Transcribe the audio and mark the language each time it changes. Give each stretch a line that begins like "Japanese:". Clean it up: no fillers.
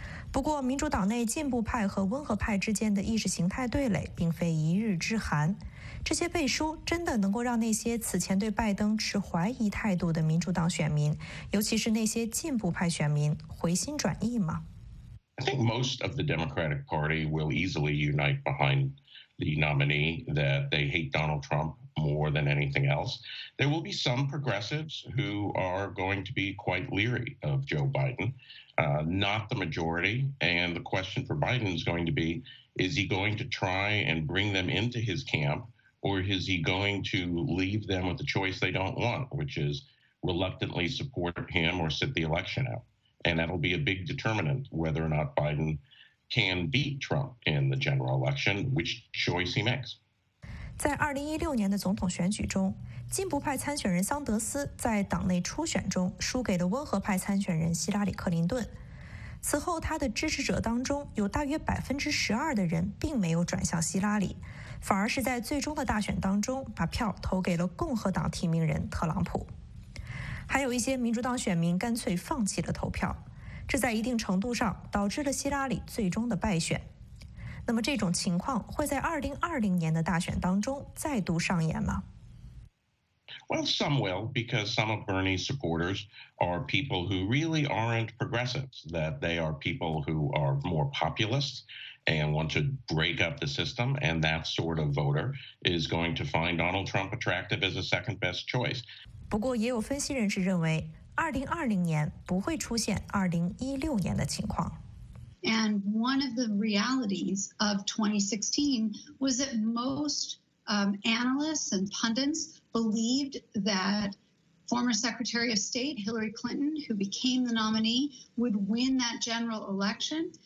Chinese: 不过，民主党内进步派和温和派之间的意识形态对垒并非一日之寒，这些背书真的能够让那些此前对拜登持怀疑态度的民主党选民，尤其是那些进步派选民回心转意吗？
English: I think most of the Democratic Party will easily unite behind the nominee that they hate Donald Trump more than anything else. There will be some progressives who are going to be quite leery of Joe Biden, not the majority. And the question for Biden is going to be, is he going to try and bring them into his camp, or is he going to leave them with a choice they don't want, which is reluctantly support him or sit the election out? And that'll be a big determinant whether or not Biden can beat Trump in the general election, which choice he makes.
Chinese: 在2016年的总统选举中，进步派参选人桑德斯在党内初选中输给了温和派参选人希拉里·克林顿。此后，他的支持者当中有大约12%的人并没有转向希拉里，反而是在最终的大选当中把票投给了共和党提名人特朗普。还有一些民主党选民干脆放弃了投票，这在一定程度上导致了希拉里最终的败选。那么这种情况会在2020年的大选当中再度上演吗？
English: Well, some will, because some of Bernie's supporters are people who really aren't progressives, that they are people who are more populist and want to break up the system. And that sort of voter is going to find Donald Trump attractive as a second best choice.
Chinese: 不过也有分析人士认为2020年不会出现2016年的情况。
English: And one of the realities of 2016 was that most analysts and pundits believed that former Secretary of State Hillary Clinton, who became the nominee, would win that general election.